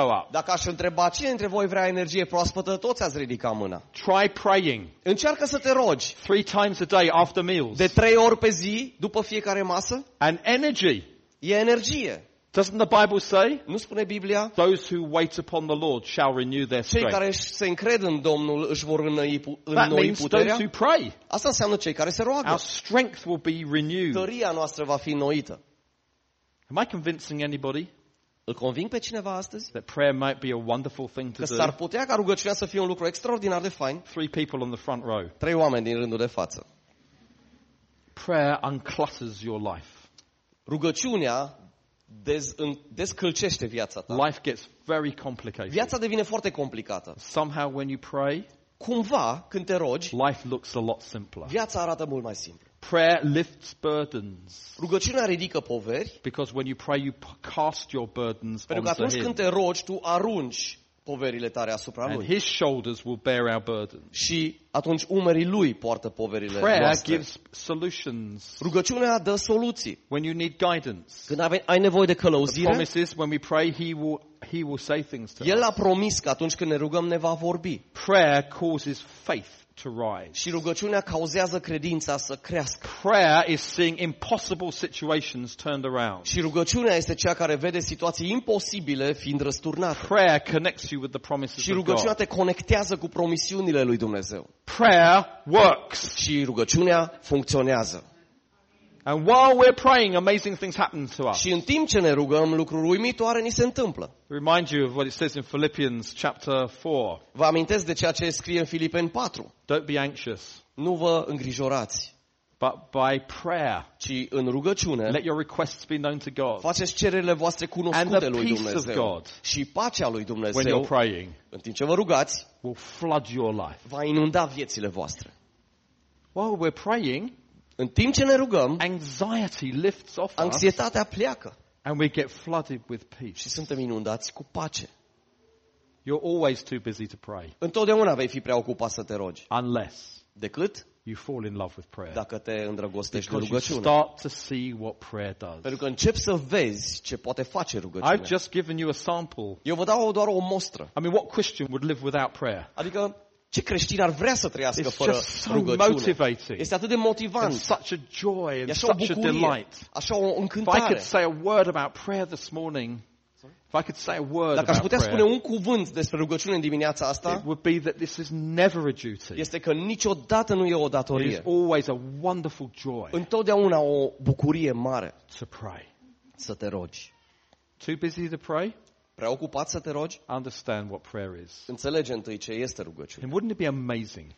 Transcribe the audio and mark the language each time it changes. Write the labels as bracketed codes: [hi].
[ro] Dacă aș întreba cine dintre voi vrea energie proaspătă, toți ați ridica mâna. [en] Try praying. [ro] Încearcă să te rogi. [en] Three times a day after meals. [ro] De trei ori pe zi, după fiecare masă. [en] And energy. [ro] E energie. [en] Doesn't the Bible say? [ro] Nu spune Biblia? [en] Those who wait upon the Lord shall renew their strength. [ro] Cei care se încred în Domnul își vor înnoi puterea. [en] That means those who pray. [ro] Asta înseamnă cei care se roagă. [en] Our strength will be renewed. [ro] Tăria noastră va fi înnoită. [en] Am I convincing anybody? [ro] Îl conving pe cineva astăzi? [en] That prayer might be a wonderful thing to do. [ro] S-ar putea ca rugăciunea să fie un lucru extraordinar de fain. [en] Three people on the front row. [ro] Trei oameni din rândul de față. [en] Prayer unclutters your life. [ro] Rugăciunea descălcește viața ta. [en] Life gets very complicated. [ro] Viața devine foarte complicată. [en] Somehow when you pray, [ro] cumva când te rogi, [en] life looks a lot simpler. [ro] Viața arată mult mai simplă. [en] Prayer lifts burdens. [ro] Rugăciunea ridică poveri. [en] Because when you pray, you cast your burdens onto [ro] Pentru că atunci când te rogi, tu arunci poverile tale asupra lui. [en] And his shoulders will bear our burdens. [ro] Și atunci umerii lui poartă poverile [en] prayer [ro] noastre. [en] Prayer gives solutions. [ro] Rugăciunea dă soluții. [en] When you need guidance. [ro] Când ai nevoie de călăuzire. [en] The promise is when we pray, he will say things to us. [ro] El a promis că atunci când ne rugăm ne va vorbi. [en] Prayer causes faith to rise. [ro] Și rugăciunea cauzează credința să crească. [en] Prayer is seeing impossible situations turned around. [ro] Și rugăciunea este cea care vede situații imposibile fiind răsturnate. [en] Prayer connects you with the promises of God. [ro] Și rugăciunea te conectează cu promisiunile lui Dumnezeu. [en] Prayer works. [ro] Și rugăciunea funcționează. [en] And while we're praying, amazing things happen to us. [ro] Și în timp ce ne rugăm, lucruri uimitoare ni se întâmplă. [en] Remind you of what it says in Philippians chapter 4. [ro] Vă amintesc de ceea ce scrie în Filipeni 4. [en] Don't be anxious. [ro] Nu vă îngrijorați. [en] But by prayer, [ro] ci în rugăciune, [en] let your requests be known to God. [ro] Faceți cererile voastre cunoscute lui Dumnezeu. [en] And the peace of God. [ro] Și pacea lui Dumnezeu. [en] When you're praying, [ro] în timp ce vă rugați, [en] will flood your life. [ro] Va inunda viețile voastre. [en] While we're praying, [ro] în timp ce ne rugăm, [en] anxiety lifts off. [ro] Anxietatea pleacă. [en] And we get flooded with peace. [ro] Și suntem inundați cu pace. [en] You're always too busy to pray. [ro] Întotdeauna vei fi prea ocupat să te rogi. [en] Unless. [ro] Decât [en] you fall in love with prayer. [ro] Dacă te îndrăgostești de rugăciune. [en] Because you start to see what prayer does. [ro] Pentru că începi să vezi ce poate face rugăciunea. [en] I've just given you a sample. [ro] Eu vă dau doar o mostră. [en] I mean, what Christian would live without prayer? [ro] Adică ce creștin ar vrea să trăiască [en] it's [ro] fără [en] so [ro] rugăciune? [en] Motivating. [ro] Este atât de motivant. [en] And such a joy and such [ro] bucurie, [en] a delight. [ro] Așa o încântare. [en] If I could say a word about prayer this morning, if I could say a word [ro] dacă aș putea [en] prayer, [ro] spune un cuvânt despre rugăciune în dimineața asta, [en] it would be that this is never a duty. [ro] Este că niciodată nu e o datorie. [en] It is always a wonderful joy. [ro] Întotdeauna o bucurie mare. [en] To pray. [ro] Să te rogi. [en] Too busy to pray? [ro] Preocupat să te rogi? [en] Understand what prayer is. [ro] Înțelege întâi ce este rugăciune. [en] And wouldn't it be amazing?